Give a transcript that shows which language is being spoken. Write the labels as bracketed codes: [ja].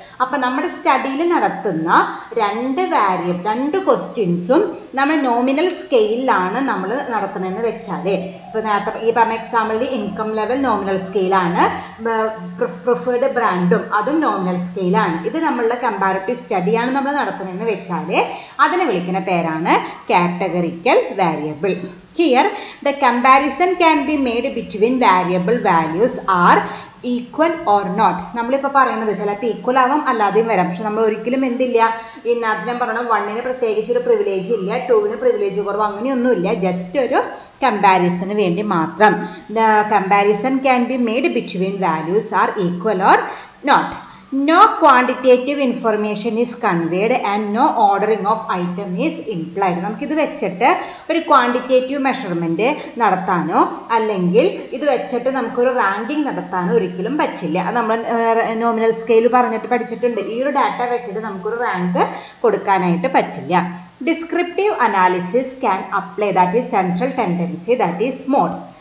[ml] അപ്പം നമ്മുടെ സ്റ്റഡിയിൽ നടത്തുന്ന രണ്ട് വാല്യൂ രണ്ട് ക്വസ്റ്റ്യൻസും നമ്മൾ നോമിനൽ സ്കെയിലാണ് നമ്മൾ നടത്തണമെന്ന് വെച്ചാല് ഇപ്പം നേരത്തെ ഈ പറഞ്ഞ എക്സാമ്പിളിൽ ഇൻകം ലെവൽ നോമിനൽ സ്കെയിലാണ്, പ്രിഫേർഡ് ബ്രാൻഡും അതും നോമിനൽ സ്കെയിലാണ്. ഇത് നമ്മളുടെ കമ്പാരിറ്റീവ് സ്റ്റഡിയാണ് നമ്മൾ നടത്തണമെന്ന് വെച്ചാൽ അതിനെ വിളിക്കുന്ന പേരാണ് categorical variable. [en] Here, the comparison can be made between variable values are equal or not. [ml] നമ്മളിപ്പോൾ പറയുന്നത് ചിലപ്പോൾ ഈക്വൽ ആവാം അല്ലാതെയും വരാം. പക്ഷെ നമ്മൾ ഒരിക്കലും എന്തില്ല, ഇന്നാദ്യം പറയണം 1 പ്രത്യേകിച്ച് ഒരു പ്രിവിലേജ് ഇല്ല, 2 പ്രിവിലേജ് കുറവ്, അങ്ങനെയൊന്നും ഇല്ല. ജസ്റ്റ് ഒരു കമ്പാരിസന് വേണ്ടി മാത്രം. [en] The comparison can be made between values are equal or not. No quantitative information is conveyed and no ordering of item is implied. [ml] നമുക്കിത് വെച്ചിട്ട് ഒരു ക്വാണ്ടിറ്റേറ്റീവ് മെഷർമെൻറ്റ് നടത്താനോ അല്ലെങ്കിൽ ഇത് വെച്ചിട്ട് നമുക്കൊരു റാങ്കിങ് നടത്താനോ ഒരിക്കലും പറ്റില്ല. അത് നമ്മൾ നോമിനൽ സ്കെയിൽ പറഞ്ഞിട്ട് പഠിച്ചിട്ടുണ്ട്. ഈ ഒരു ഡാറ്റ വെച്ചിട്ട് നമുക്കൊരു റാങ്ക് കൊടുക്കാനായിട്ട് പറ്റില്ല. [en] Descriptive analysis can apply, that is central tendency, that is mode.